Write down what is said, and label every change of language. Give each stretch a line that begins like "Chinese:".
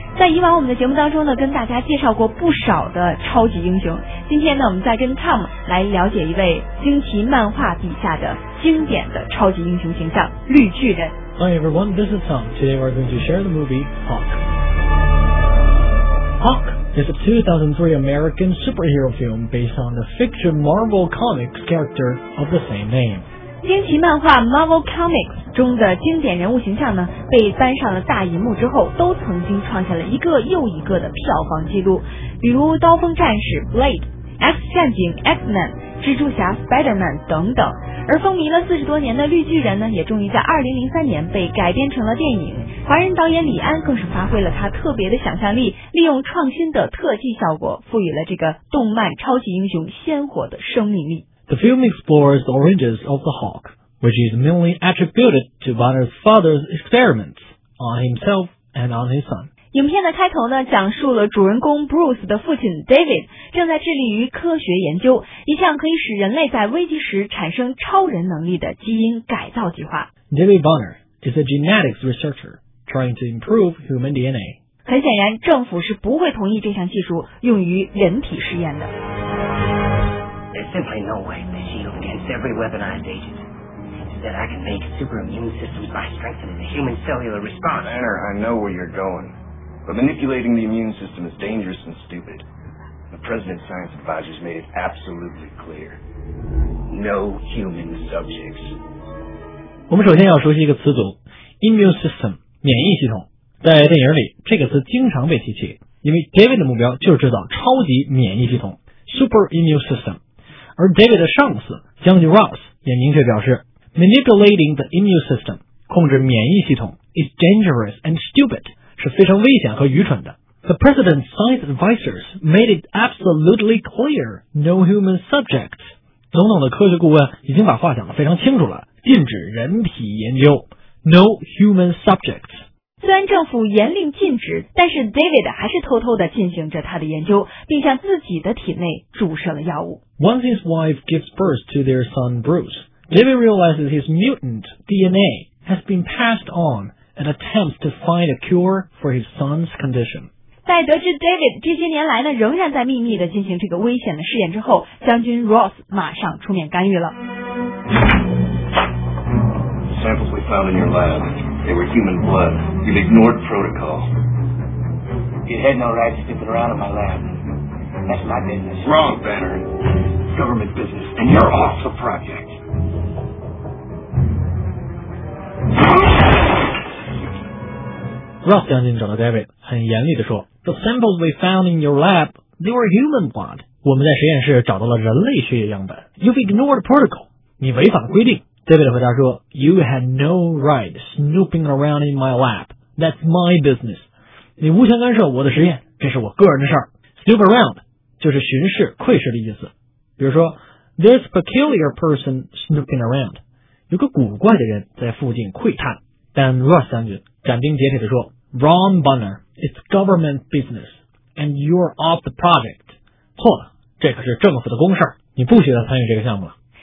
Chinese: 在以往我们的节目当中呢，跟大家介绍过不少的超级英雄，今天呢我们再跟 Tom 来了解一位惊奇漫画底下的经典的超级英雄形象，绿巨人。
English: Hi everyone, this is Tom. Today we're going to share the movie Hawk. Hawk is a 2003 American superhero film based on the fiction Marvel Comics character of the same name.
Chinese: 惊奇漫画 Marvel Comics中的经典人物形象呢，被搬上了大荧幕之后，都曾经创下了一个又一个的票房记录，比如刀锋战士 Blade、 X 战警 X-Men、 蜘蛛侠 Spider-Man 等等。而风靡了40多年的绿巨人呢，也终于在2003年被改编成了电影。华人导演李安更是发挥了他特别的想象力，利用创新的特技效果，赋予了这个动漫超级英雄鲜活的生命力。
English: The film explores the origins of the Hawk. Which is mainly attributed to Banner's father's experiments on himself and on his son.
Chinese: 影片的开头呢，讲述了主人公 Bruce 的父亲 David 正在致力于科学研究一项可以使人类在危机时产生超人能力的基因改造计划。
English: David Banner is a genetics researcher trying to improve human DNA.
Chinese: 很显然，政府是不会同意这项技术用于人体实验的。
English: There's simply no way to shield against every weaponized agent. That I can make super immune systems by strengthening the human cellular response. Banner, I know where you're going, but manipulating the immune system is dangerous and stupid. The president's science advisors made it absolutely clear. No human subjects.
Chinese: 我们首先要熟悉一个词组 immune system, 免疫系统。在电影里，这个词经常被提起，因为 David 的目标就是制造超级免疫系统 super immune system。而 David 的上司将军 Ross 也明确表示。
English: Manipulating the immune system,
Chinese: 控制免疫系统
English: is dangerous and stupid,
Chinese: 是非常危险和愚蠢的。
English: The president's science advisors made it absolutely clear, no human subjects.
Chinese: 总统的科学顾问已经把话讲得非常清楚了，禁止人体研究
English: no human subjects.
Chinese: 虽然政府严令禁止，但是 David 还是偷偷地进行着他的研究，并向自己的体内注射了药物。
English: Once his wife gives birth to their son Bruce,David realizes his mutant DNA has been passed on and attempts to find a cure for his son's condition.
Chinese: 在得知 David 这些年来呢仍然在秘密地进行这个危险的试验之后，将军 Ross 马上出面干预了。
English: The samples we found in your lab, they were human blood. You've ignored protocol. You had no right to stick it around in my lab. That's my business. Wrong, Banner. Government business, and you're off the project. Ross
Chinese: 将军找到
English: David，
Chinese: 很严厉地说
English: ：“The samples we found in your lab, they were human blood.
Chinese: 我们在实验室找到了人类血液样本。
English: You've ignored protocol.
Chinese: 你违反了规定。”
English: David
Chinese: 回答说
English: ：“You had no right snooping around in my lab. That's my business.
Chinese: 你无权干涉我的实验，这是我个人的事儿。 Snoop around 就是巡视、窥视的意思。比如说 ，
English: This peculiar person snooping around，
Chinese: 有个古怪的人在附近窥探。但 Ross 将军。斩钉截铁地说
English: Ron Banner, it's government business, and you're off the project.
Chinese: 错了，这可是政府的公事，你不许再参与这个项目了。